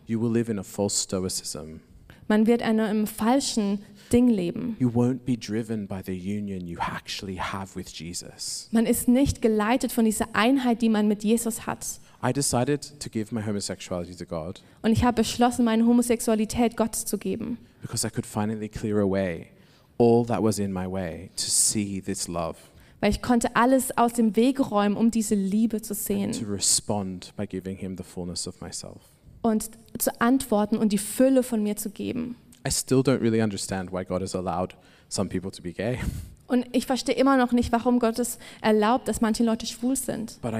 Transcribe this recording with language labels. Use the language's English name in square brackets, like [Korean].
[English] you will live in a false stoicism, [German] man wird einem falschen Ding leben, [English] you won't be driven by the union you actually have with Jesus, [German] man ist nicht geleitet von dieser Einheit die man mit Jesus hat. [English] I decided to give my homosexuality to God. [German] Und ich habe beschlossen, meine Homosexualität Gott zu geben. [English] Because I could finally clear away all that was in my way to see this love. [German] Weil ich konnte alles aus dem Weg räumen, um diese Liebe zu sehen. [English] And to respond by giving him the fullness of myself. [German] Und zu antworten und die Fülle von mir zu geben. [English] I still don't really understand why God has allowed some people to be gay. [German] Und ich verstehe immer noch nicht, warum Gott es erlaubt, dass manche Leute schwul sind.